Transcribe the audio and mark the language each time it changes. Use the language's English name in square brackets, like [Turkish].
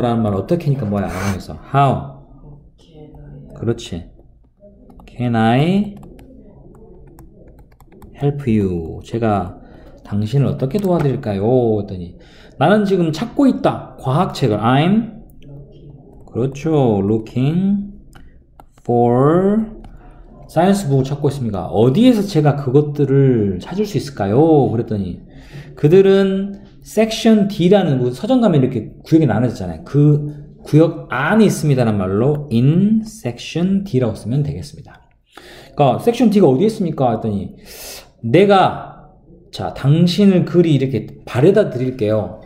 [Korean] 라는 말, 어떻게 하니까 뭐야? 라고 했어. How? 그렇지. [English] Can I help you? [Korean] 제가 당신을 어떻게 도와드릴까요? 했더니, 나는 지금 찾고 있다. 과학책을. [English] I'm, [Korean] 그렇죠. [English] Looking for science book [Korean] 찾고 있습니다. 어디에서 제가 그것들을 찾을 수 있을까요? 그랬더니, 그들은 섹션 D라는 그 서점 가면 이렇게 구역이 나눠졌잖아요. 그 구역 안에 있습니다라는 말로 [English] in section D [Korean] 라고 쓰면 되겠습니다. 그러니까 섹션 D가 어디에 있습니까? 했더니 내가 자 당신을 그리 이렇게 바래다 드릴게요.